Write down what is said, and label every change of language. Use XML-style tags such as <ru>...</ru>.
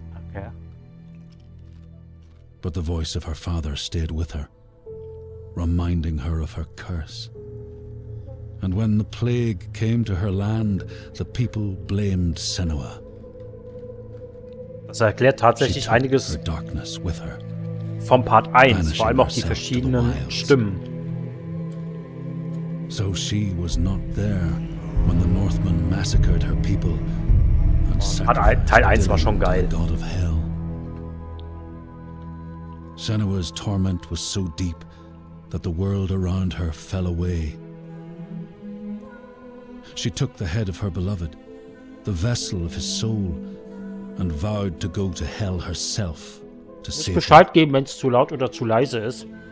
<en>Okay. But the voice of her father stayed with her, reminding her of her curse. And when the plague came to her land, the people blamed Senua.</en> <de>Das erklärt tatsächlich einiges</de> <en>her darkness with her,</en> <de>vom Part 1, vor allem auch die verschiedenen Stimmen.</de> <en>So she was not there. When the Northmen massacred her people and sacrificed the god of hell. Senua's torment was so deep that the world around her fell away. She took the head of her beloved, the vessel of his soul, and vowed to go to hell herself to save her.</en> <de>Bescheid geben, wenn es zu laut oder zu leise ist.</de>